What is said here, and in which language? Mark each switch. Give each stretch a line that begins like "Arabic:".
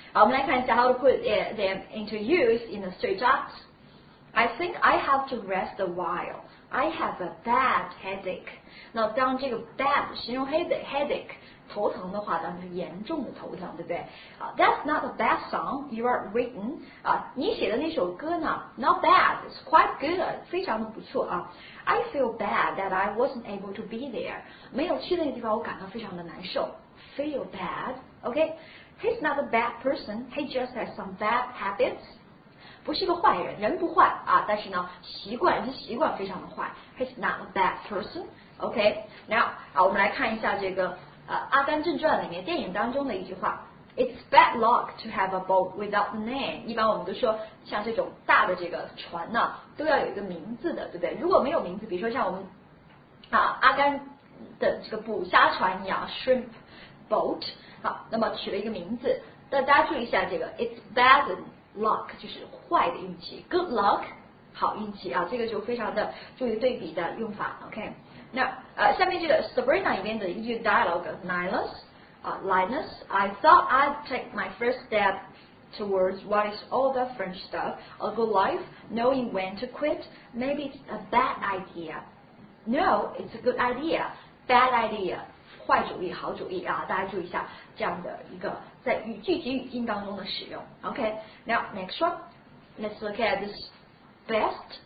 Chinese: 好，我们来看一下
English: how to put them into use in the three dots. I think I have to rest a while. I have a bad headache.
Chinese: 那当这个
English: bad
Chinese: 形容
English: headache
Chinese: 头疼的话当然是严重的头疼，对不对？
English: That's not a bad song you are written.
Chinese: 你写的那首歌呢
English: not bad, it's quite good,
Chinese: 非常的不错啊。
English: I feel bad that I wasn't able to be there.
Chinese: 没有去那个地方我感到非常的难受。
English: Feel bad, okay? He's not a bad person, he just has some bad habits.
Chinese: 不是个坏人，人不坏啊，但是呢，习惯是习惯非常的坏。
English: He's not a bad person. Okay, now
Chinese: 啊，我们来看一下这个阿甘正传里面电影当中的一句话。
English: It's bad luck to have a boat without a name.
Chinese: 一般我们都说，像这种大的这个船呢，都要有一个名字的，对不对？如果没有名字，比如说像我们阿甘的这个捕虾船一样 ，shrimp boat， 好，那么取了一个名字。但大家注意一下，这个
English: it's bad。
Chinese: Luck 就是坏的运气 ，
English: good luck
Chinese: 好运气啊，这个就非常的注意对比的用法 ，OK。那下面这个
English: Sabrina
Chinese: 里面的一句
English: dialogue， Linus， I thought I'd take my first step towards what is all the French stuff， a good life， knowing when to quit， maybe it's a bad idea， no， it's a good idea， bad idea，
Chinese: 坏主意，好主意啊，大家注意一下这样的一个。在语句及语境当中的使用 ，OK。
English: Now next one, let's look at this best.